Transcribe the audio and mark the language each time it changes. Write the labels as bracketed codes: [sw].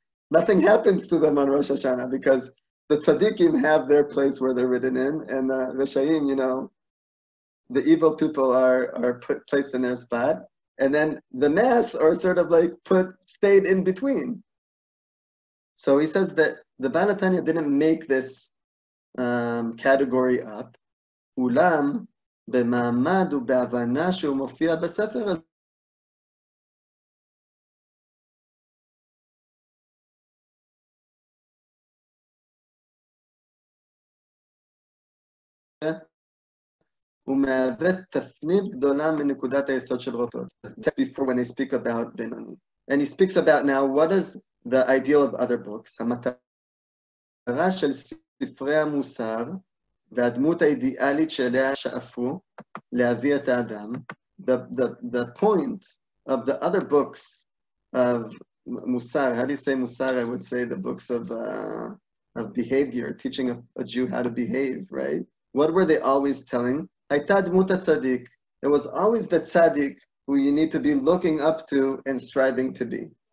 [en] Nothing happens to them on Rosh Hashanah because the tzaddikim have their place where they're written in, and the Rishayim, you know, the evil people are put placed in their spot, and then the mass are sort of like stayed in between. So he says that the Baal HaTanya didn't make this category up. [he] Ulam. במעמד ובהבנה שהוא מופיע בספר הזה. הוא מהווה תפנית גדולה מנקודת היסוד של רוטות. [en] Before when he speak about Benoni. And he speaks about now, what is the ideal of other books? [he] המטרה של ספרי המוסר, והדמות האידיאלית שאליה שאפו להביא את האדם, [en] the point of the other books of מוסר, how do you say [he] מוסר? [en] I would say the books of behavior, teaching a Jew how to behave, right? What were they always telling? [he] הייתה דמות הצדיק. [en] It was always the tzaddik who you need to be looking up to and striving to be.